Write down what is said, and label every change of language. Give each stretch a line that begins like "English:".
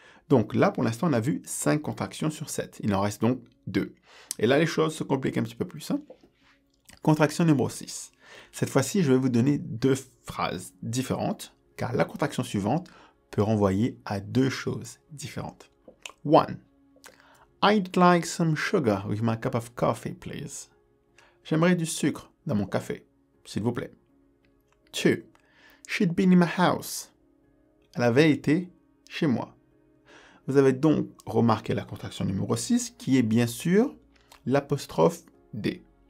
French: Donc là, pour l'instant, on a vu 5 contractions sur 7. Il en reste donc 2. Et là, les choses se compliquent un petit peu plus. Hein. Contraction numéro 6. Cette fois-ci, je vais vous donner deux phrases différentes, car la contraction suivante peut renvoyer à deux choses différentes. 1.
English: I'd like some sugar with my cup of coffee, please.
French: J'aimerais du sucre dans mon café, s'il vous plaît. 2.
English: She'd been in my house.
French: Elle avait été chez moi. Vous avez donc remarqué la contraction numéro 6, qui est bien sûr l'apostrophe D.